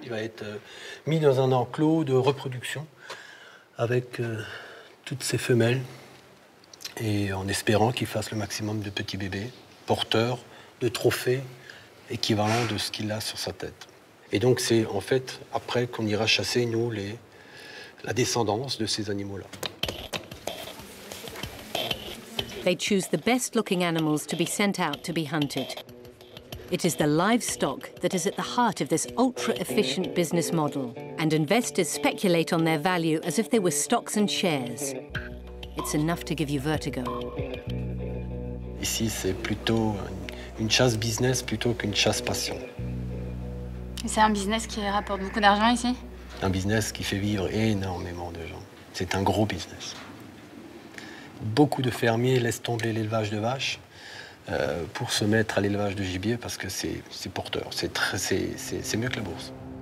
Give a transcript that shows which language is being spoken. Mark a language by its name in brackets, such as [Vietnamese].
[French] Il va être mis dans un enclos de reproduction avec toutes ses femelles et en espérant qu'il fasse le maximum de petits bébés porteurs de trophées équivalents de ce qu'il a sur sa tête. Et donc c'est en fait après qu'on ira chasser, nous, la descendance de ces animaux-là. [English] They choose the best-looking animals to be sent out to be hunted. It is the livestock that is at the heart of this ultra-efficient business model, and investors speculate on their value as if they were stocks and shares. It's enough to give you vertigo. [French] Ici, c'est plutôt une chasse business plutôt qu'une chasse passion. C'est un business qui rapporte beaucoup d'argent ici? Un business qui fait vivre énormément de gens. C'est un gros business. Beaucoup de fermiers laissent tomber l'élevage de vaches pour se mettre à l'élevage de gibier parce que c'est porteur, c'est mieux que la bourse.